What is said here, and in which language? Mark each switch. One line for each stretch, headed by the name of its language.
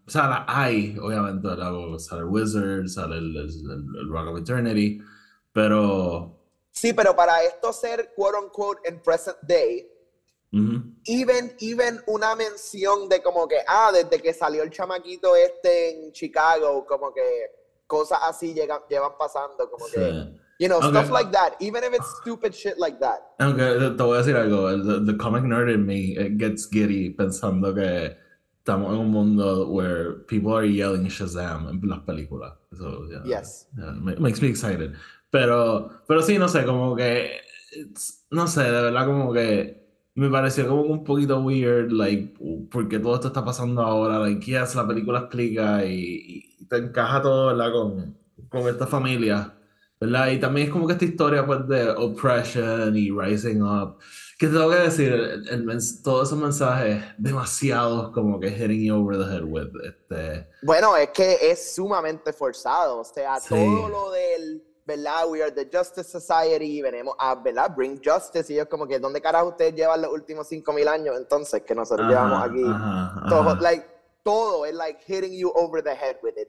Spanish: O sea, la hay, obviamente, la voz, sale Wizard, sale el Rock of Eternity, pero... Sí, pero para esto ser
English: quote unquote
Spanish: en
English: present day, even
Spanish: una mención de como que, desde que salió el chamaquito este en Chicago, como que cosas así llevan pasando, como Sí.
English: que, stuff like that, even if it's stupid shit like that.
Spanish: Aunque te voy a decir algo,
English: the comic nerd in me it gets giddy
Spanish: pensando que estamos en un mundo
English: where people are yelling
Spanish: Shazam en las películas. Eso ya
English: Yes. makes me excited.
Spanish: Pero sí, no sé, como que, no sé, de verdad, como que me pareció como un poquito
English: weird, like,
Spanish: porque todo esto está pasando ahora,
English: like, yes,
Spanish: la película explica y te encaja todo, ¿verdad? Con esta familia. ¿Verdad? Y también es como que esta historia pues, de
English: oppression
Spanish: y
English: rising up.
Spanish: ¿Qué tengo que decir? Todos esos mensajes demasiados como que
English: hitting you over the head with.
Spanish: Bueno, es que es sumamente forzado, o sea, Sí. todo lo del, ¿verdad?
English: We are the Justice Society,
Spanish: venimos a, ¿verdad?
English: Bring justice,
Spanish: y ellos como que, ¿dónde carajo ustedes llevan los últimos 5.000 años entonces que nosotros llevamos aquí? Todo, todo es
English: hitting you over the head with it.